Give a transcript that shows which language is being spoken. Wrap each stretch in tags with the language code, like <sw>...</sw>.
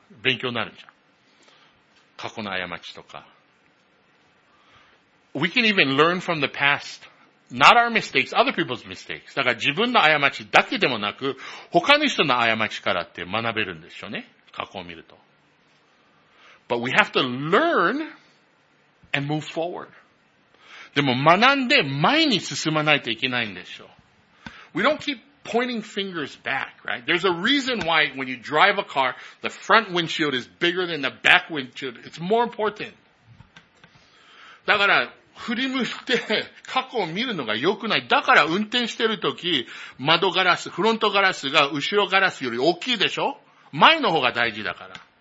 <ja>勉強になるじゃん。過去の過ちとか。</ja> <en>We can even learn from the past. Not our mistakes, other people's mistakes.</en> <ja>だから自分の過ちだけでもなく、他の人の過ちからって学べるんでしょうね。過去を見ると。</ja> <en>But we have to learn and move forward.</en> <ja>でも学んで前に進まないといけないんでしょう。</ja> <en>We don't keep pointing fingers back, right? There's a reason why when you drive a car, the front windshield is bigger than the back windshield. It's more important.</en> <ja>だから、振り向いて過去を見るのが良くない。だから運転してるとき、窓ガラス、フロントガラスが後ろガラスより大きいでしょ？前の方が大事だから。</ja>